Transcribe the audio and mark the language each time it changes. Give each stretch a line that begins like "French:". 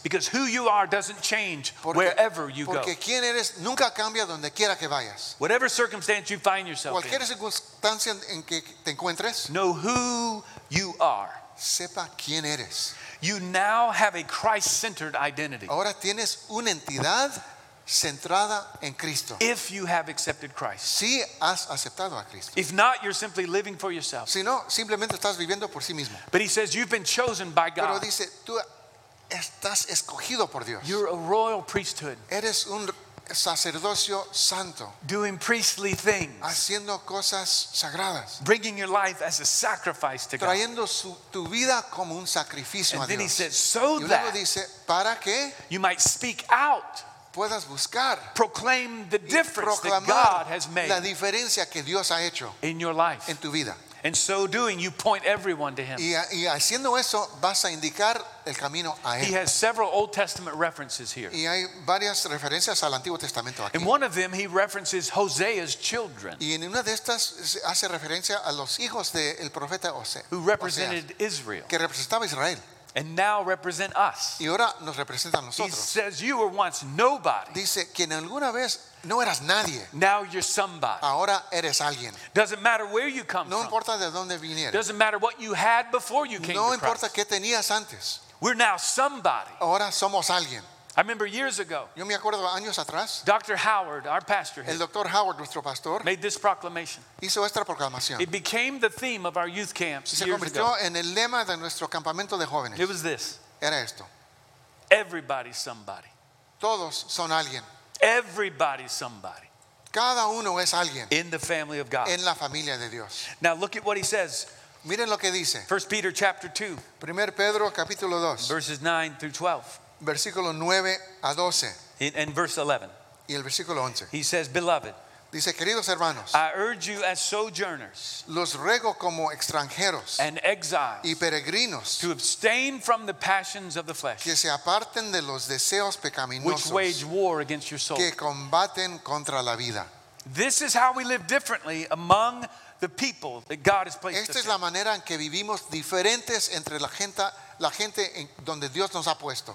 English: Because who you are doesn't change wherever you go.
Spanish: Porque quién eres nunca cambia donde quiera que vayas.
English: Whatever circumstance you find yourself in.
Spanish: Cualquier circunstancia en que te encuentres.
English: Know who you are.
Spanish: Sepa quién eres.
English: You now have a Christ-centered identity.
Spanish: Ahora tienes una identidad centrada en Cristo.
English: If you have accepted Christ.
Spanish: Si has aceptado a Cristo.
English: If not, you're simply living for yourself.
Spanish: Si no, simplemente estás viviendo por sí mismo.
English: But he says you've been chosen by God.
Spanish: Pero dice, tú estás escogido por Dios.
English: You're a royal priesthood.
Spanish: Eres un sacerdocio santo.
English: Doing priestly things.
Spanish: Haciendo cosas sagradas.
English: Bringing your life as a sacrifice to God.
Spanish: Trayendo tu vida como un sacrificio a Dios.
English: And then he says, so
Spanish: that. Y luego dice, para que
English: you might speak out.
Spanish: Puedas buscar,
English: proclaim the difference that God has made
Spanish: la diferencia que Dios ha hecho
English: in your life.
Spanish: En tu vida.
English: And so doing, you point everyone to Him.
Spanish: Y haciendo eso, vas a indicar el camino a Él.
English: He has several Old Testament references here.
Spanish: Y hay varias referencias al Antiguo Testamento aquí.
English: In one of them, he references Hosea's children.
Spanish: Y en una de estas hace referencia a los hijos del profeta Hosea,
English: who represented Israel.
Spanish: Que representaba Israel.
English: And now represent us.
Spanish: Y ahora nos representan nosotros.
English: He says you were once nobody.
Spanish: Dice que en alguna vez no eras nadie.
English: Now you're somebody.
Spanish: Ahora eres alguien.
English: Doesn't matter where you come
Spanish: no No importa de dónde vinieras.
English: Doesn't matter what you had before you came
Spanish: no No importa qué tenías antes.
English: We're now somebody.
Spanish: Ahora somos alguien.
English: I remember years ago.
Spanish: Yo me acuerdo años atrás.
English: Dr. Howard, our pastor.
Spanish: El Dr. Howard, nuestro pastor,
English: made this proclamation.
Spanish: Hizo esta proclamación.
English: It became the theme of our youth camps
Spanish: Se convirtió
English: years ago.
Spanish: En el lema de nuestro campamento de jóvenes.
English: It was this.
Spanish: Era esto.
English: Everybody's somebody.
Spanish: Todos son alguien.
English: Everybody's somebody.
Spanish: Cada uno es alguien.
English: In the family of God.
Spanish: En la familia de Dios.
English: Now look at what he says.
Spanish: Miren lo que dice.
English: 1 Peter chapter 2.
Spanish: Primer Pedro capítulo 2.
English: Verses 9 through 12.
Spanish: Versículo 9 a 12.
English: And verse 11.
Spanish: Y el versículo 11.
English: He says, beloved.
Spanish: Dice, queridos hermanos.
English: I urge you as sojourners.
Spanish: Los ruego como extranjeros.
English: And exiles.
Spanish: Y peregrinos.
English: To abstain from the passions of the flesh.
Spanish: Que se aparten de los deseos pecaminosos.
English: Which wage war against your soul.
Spanish: Que combaten contra la vida.
English: This is how we live differently among the people that God has placed.
Spanish: Esta es la manera en que vivimos diferentes entre la gente. La gente en donde Dios nos ha puesto.